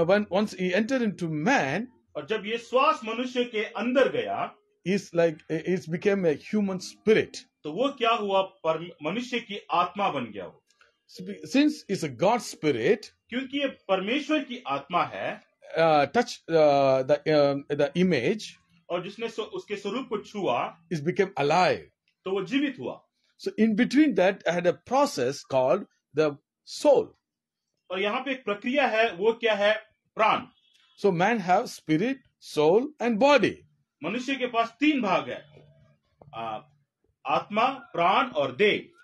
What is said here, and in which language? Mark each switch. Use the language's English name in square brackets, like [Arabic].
[English] Once he entered into man. [Hindi] और जब ये श्वास मनुष्य के अंदर गया. [English] It became a human spirit. [Hindi] तो वो क्या हुआ? मनुष्य की आत्मा बन गया वो. [English] Since it's a God spirit, [Hindi] क्योंकि ये परमेश्वर की आत्मा है. [English] Touch the image, [Hindi] और जिसने उसके स्वरूप को छुआ. [English] It became alive, [Hindi] तो वो जीवित हुआ. [English] So in between that, I had a process called the soul. [Hindi] और यहाँ पे एक प्रक्रिया है, वो क्या है? प्राण. [English] So man have spirit, soul and body. [Hindi] मनुष्य के पास तीन भाग है, आत्मा, प्राण और देह.